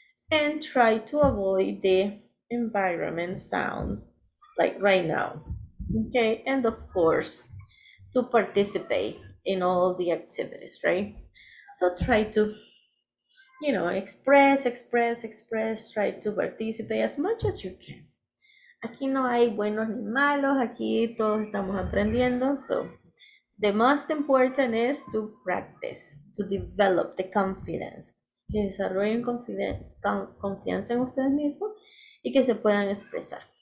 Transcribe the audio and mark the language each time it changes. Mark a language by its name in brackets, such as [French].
[English] And try to avoid the environment sounds, like right now. Okay, and of course, to participate in all the activities, right? So try to, you know, express, try to participate as much as you can. [Spanish] Aquí no hay buenos ni malos, aquí todos estamos aprendiendo. [English] So the most important is to practice, to develop the confidence. [Spanish] Que desarrollen confianza en ustedes mismos y que se puedan expresar.